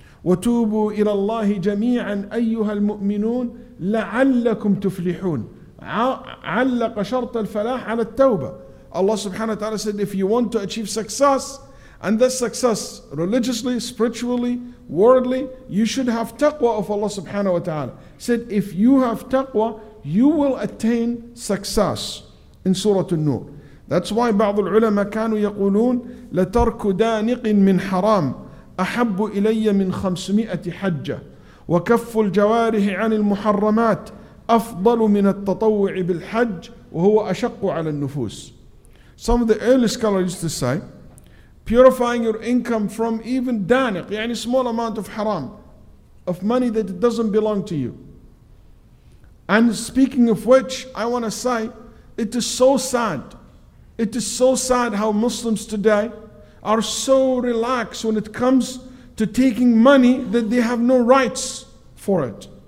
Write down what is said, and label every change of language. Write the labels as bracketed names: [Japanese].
[Arabic] وَتُوبُوا إِلَى اللَّهِ جَمِيعًا أَيُّهَا الْمُؤْمِنُونَ لَعَلَّكُمْ تُفْلِحُونَ علق شرط الفلاح على التوبة. [English] Allah subhanahu wa ta'ala said, if you want to achieve success, and that success religiously, spiritually, worldly, you should have taqwa of Allah subhanahu wa ta'ala. Said, if you have taqwa, you will attain success. In Surah An-Nur. That's why [Arabic] بعض العلماء كانوا يقولون لترك دانق من حرام أحب إلي من 500 حجة وكف الجوارح عن المحرمات أفضل من التطوع بالحج وهو أشق على النفوس. [English] Some of the early scholars used to say, purifying your income from even danik, يعني small amount of haram, of money that doesn't belong to you. And speaking of which, I want to say, it is so sad. It is so sad how Muslims today are so relaxed when it comes to taking money that they have no rights for it.